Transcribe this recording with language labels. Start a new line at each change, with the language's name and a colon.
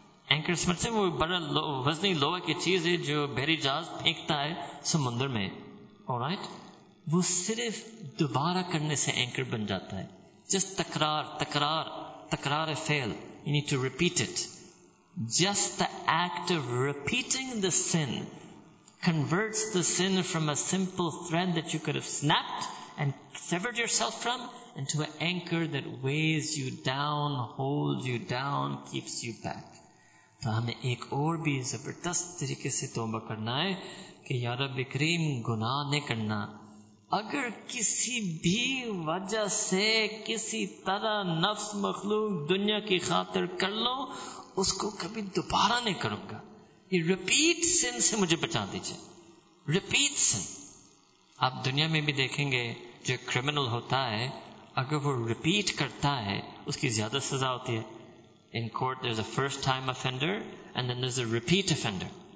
Urdu: Anchor سمجھتے ہیں وہ بڑا وزنی لوہے کی چیز ہے جو بحری جہاز پھینکتا ہے سمندر میں.
English: Alright?
Urdu: وہ صرف دوبارہ کرنے سے اینکر بن جاتا ہے. جس تکرار تکرار تکرار فیل,
English: you need to repeat it. Just the act of repeating the sin converts the sin from a simple thread that you could have snapped and severed yourself from into an anchor that weighs you down, holds you down, keeps you back.
Urdu: تو ہمیں ایک اور بھی زبردست طریقے سے توبہ کرنا ہے کہ یا رب کریم گناہ نہیں کرنا. اگر کسی بھی وجہ سے کسی طرح نفس مخلوق دنیا کی خاطر کر لو, اس کو کبھی دوبارہ نہیں کروں گا. یہ ریپیٹ سن سے مجھے بچا دیجئے. ریپیٹ سن. آپ دنیا میں بھی دیکھیں گے جو کرمنل ہوتا ہے, اگر وہ ریپیٹ کرتا ہے اس کی زیادہ سزا ہوتی ہے.
English: In court, there's a first-time offender, and then there's a repeat offender.